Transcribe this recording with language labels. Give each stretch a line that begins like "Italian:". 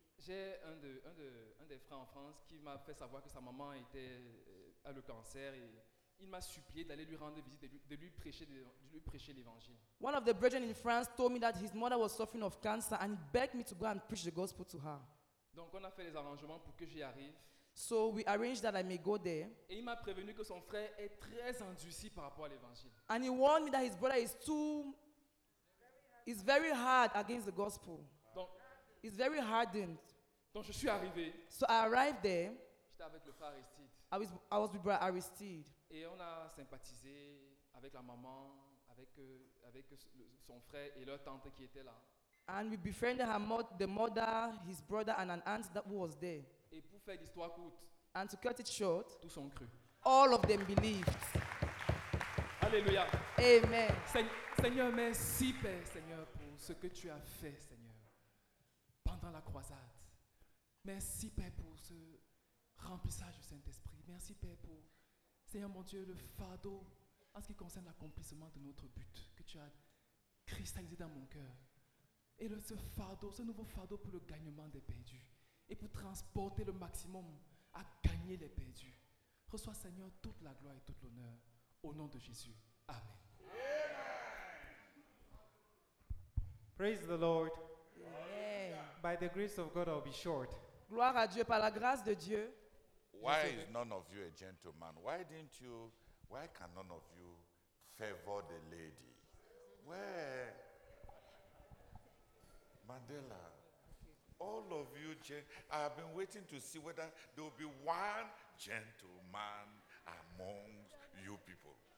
French: J'ai un des frères en France qui m'a fait savoir que sa maman a le cancer et il m'a supplié d'aller lui rendre visite et de lui prêcher l'évangile.
English: One of the brethren in France told me that his mother was suffering of cancer and he begged me to go and preach the gospel to her.
French: Donc on a fait les arrangements pour que j'y arrive.
English: So we arranged that I may go there.
French: Et il m'a prévenu que son frère est très endurci par rapport à l'évangile.
English: And he warned me that his brother is very hard against the gospel. It's very hardened.
French: Donc je suis arrivé.
English: So I arrived there.
French: J'étais avec le frère Aristide.
English: I was with brother Aristide.
French: Et on a sympathisé avec la maman, avec son frère et leur tante qui était là.
English: And we befriended the mother, his brother and an aunt that was there.
French: Et pour faire l'histoire courte.
English: And to cut it short.
French: Tous ont cru.
English: All of them believed.
French: Alléluia. Amen. Seigneur, merci Père, Seigneur, pour ce que tu as fait, Seigneur. Dans la croisade. Merci Père pour ce remplissage du Saint-Esprit. Merci Père pour, Seigneur mon Dieu, le fardeau en ce qui concerne l'accomplissement de notre but que tu as cristallisé dans mon cœur. Et ce fardeau, ce nouveau fardeau pour le gagnement des perdus et pour transporter le maximum à gagner les perdus. Reçois Seigneur toute la gloire et toute l'honneur au nom de Jésus. Amen.
English: Praise the Lord. Yeah. By the grace of God, I'll be short.
French: Gloire à Dieu par la grâce de Dieu.
English: Why is none of you a gentleman? Why didn't you? Why can none of you favor the lady? Where? Mandela. All of you, I have been waiting to see whether there will be one gentleman among you people.